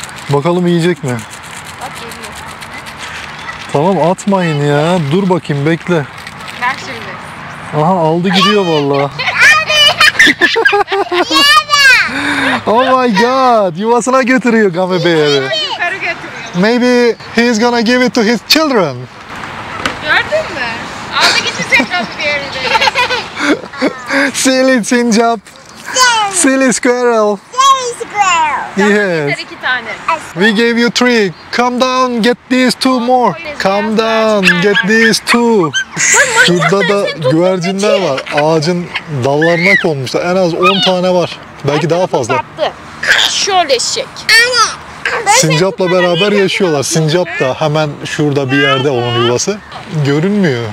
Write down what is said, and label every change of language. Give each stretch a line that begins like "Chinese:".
Turkish: Bakalım yiyecek mi? Bak geliyor. Tamam atmayın ya. Dur bakayım bekle. Gel şimdi. Aha aldı gidiyor vallahi.
English: Oh my god,
Turkish: yuvasına götürüyor gummy bear'i. Yukarı götürüyor.
English: Maybe he's gonna give it to his children.
Turkish: Gördün mü? Aldı gidecek gummy bear'i de.
English: Silly sincap. Silly squirrel. Silly squirrel. Yes.
Turkish: İki tane.
English: We gave you three. Come down, get these two more. Come down, get these two.
Turkish: Şurada da güvercinler var. Ağacın dallarına konmuşlar. En az 10 tane var. Belki daha fazla. Şöyle şek. Sincapla beraber yaşıyorlar. Sincap da hemen şurada bir yerde onun yuvası. Görünmüyor.